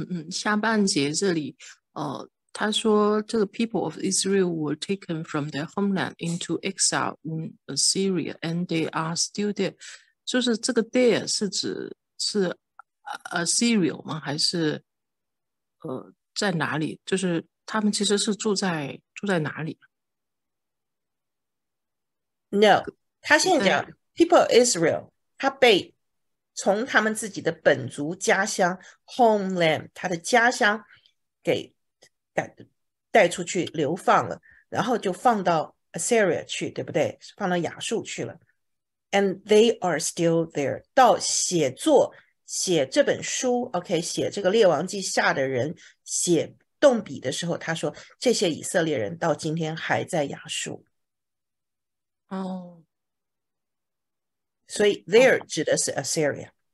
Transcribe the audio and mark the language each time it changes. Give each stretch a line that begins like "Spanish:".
Chinese: 下半节这里，他说这个
English: people of Israel were taken from their homeland into exile in Assyria, and they are still there。
Chinese: 就是这个 there 是指 Assyria 吗？还是在哪里？就是他们其实是住在哪里？
English: No，他
Chinese: 住现在在。讲 people Israel，他被从他们自己的本族家乡 homeland，他的家乡给带出去流放了，然后就放到 Assyria 去，对不对？放到亚述去了。
English: And they are still there。
Chinese: 到写这本书，OK，写这个列王记下的人写动笔的时候，他说这些以色列人到今天还在亚述。哦，所以，there 指的是 Assyria，